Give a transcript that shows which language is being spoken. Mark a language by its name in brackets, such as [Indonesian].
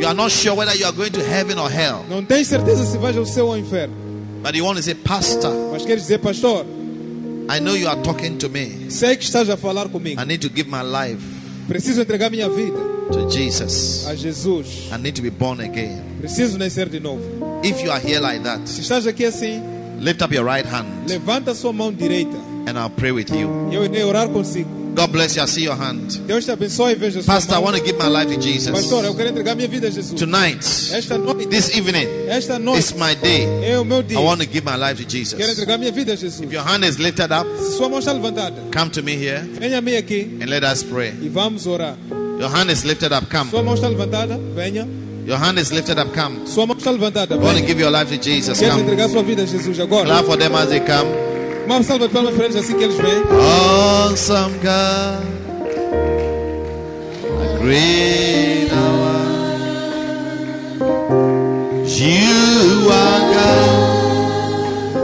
[English] You are not sure whether you are going to heaven or hell. [Portuguese] Não tens certeza se vais ao céu ou ao inferno. [English] But you want to say, pastor? [Portuguese] Mas quer dizer, pastor? [English] I know you are talking to me. [Portuguese] Sei que estás a falar comigo. [English] I need to give my life. [Portuguese] Preciso entregar minha vida. [English] To Jesus. [Portuguese] A Jesus. [English] I need to be born again. [Portuguese] Preciso nascer de novo. [English] If you are here like that. [Portuguese] Se estás aqui assim. [English] Lift up your right hand. [Portuguese] Levanta sua mão direita. [English] And I'll pray with you. [Portuguese] Eu irei orar consigo. [English] God bless you. I see your hand. [Portuguese] Deus te abençoe e veja sua mão. [English] Pastor, I want to give my life to Jesus. [Portuguese] Pastor, eu quero entregar minha vida a Jesus. [English] Tonight. [Portuguese] Esta noite. [English] This evening. [Portuguese] Esta noite. [English] It's my day. [Portuguese] É o meu dia. [English] I want to give my life to Jesus. [Portuguese] Quero entregar minha vida a Jesus. [English] If your hand is lifted up. [Portuguese] Se sua mão está levantada. [English] Come to me here. [Portuguese] Venha-me aqui. [English] And let us pray. [Portuguese] E vamos orar. [English] Your hand is lifted up. Come. [Portuguese] Sua mão está levantada. Venha. [English] Your hand is lifted up. Come. [Portuguese] Sua mão está levantada. [English] I want to give your life to Jesus. [Portuguese] Quero entregar sua vida a Jesus agora. [English] Clap for them as they come. [Portuguese] Uma salva de palmas para eles assim que eles vêm. [English] Awesome God, a great one, you are God.